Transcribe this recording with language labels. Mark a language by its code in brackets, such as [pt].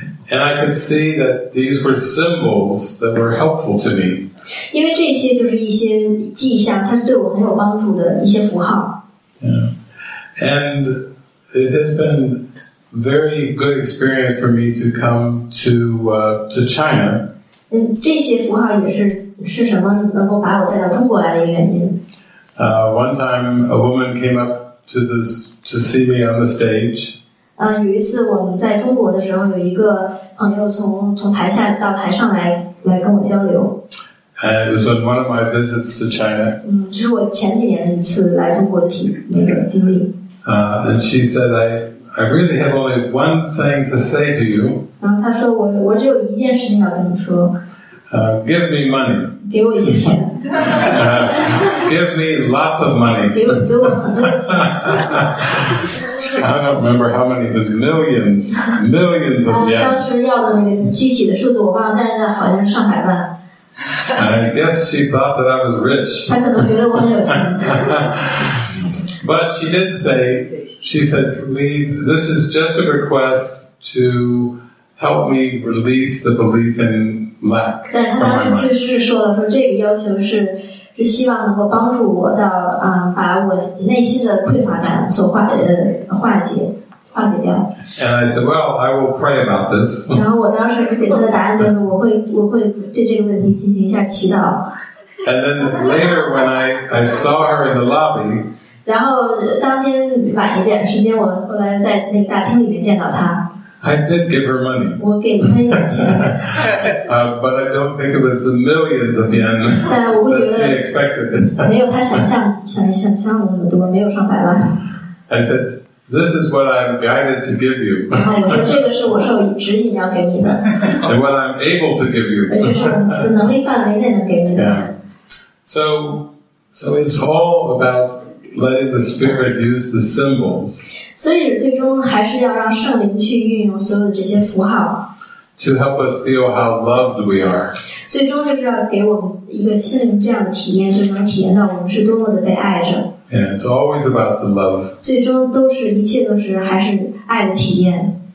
[en] And I could see that these were symbols that were helpful to me. [zh] 因为这些就是一些迹象，它是对我很有帮助的一些符号。 [en] Yeah. And it has been very good experience for me to come to China. [zh] 这些符号也是什么能够把我带到中国来的原因。 [en] One time a woman came up to see me on the stage. [zh] 有一次我们在中国的时候，有一个朋友从台下到台上来跟我交流。 [en] And it was on one of my visits to China. [zh] 这是我前几年一次来中国的经历。 [en] And she said, I really have only one thing to say to you. [zh] 然后她说我只有一件事情要跟你说。 [en] Give me money. [zh] 给我一些钱。 [en] Give me lots of money. [zh] 给我很多钱。 [en] I don't remember how many, it was millions, millions of yen. [zh] 当时要的那个具体的数字我忘了，但是好像是上百万。 [en] I guess she thought that I was rich. [zh] 她可能觉得我很有钱。 [en] But she did say, she said, please, this is just a request to help me release the belief in lack. [zh] 但是她当时确实是说了，说这个要求是希望能够帮助我到把我内心的匮乏感所化解掉。 [en] And I said, well, I will pray about this. [zh] 然后我当时给他的答案就是我会对这个问题进行一下祈祷。 [en] And then later when I saw her in the lobby. [zh] 然后当天晚一点时间，我后来在那个大厅里面见到她。 [en] I did give her money. [zh] 我给她一点钱。 [en] But I don't think it was the millions of yen that she expected. [zh] 没有她想象的那么多，没有上百万。 [en] I said,This is what I'm guided to give you. [zh] 然后我说这个是我受指引要给你的。 [en] And what I'm able to give you. [zh] 而且是我能力范围内能给你的。 [en] So it's all about letting the spirit use the symbols. [zh] 所以最终还是要让圣灵去运用所有的这些符号。 [en] To help us feel how loved we are. [zh] 最终就是要给我们一个心灵这样的体验，就能体验到我们是多么的被爱着。 [en] And it's always about the love. [zh] 最终都是一切都是还是爱的体验。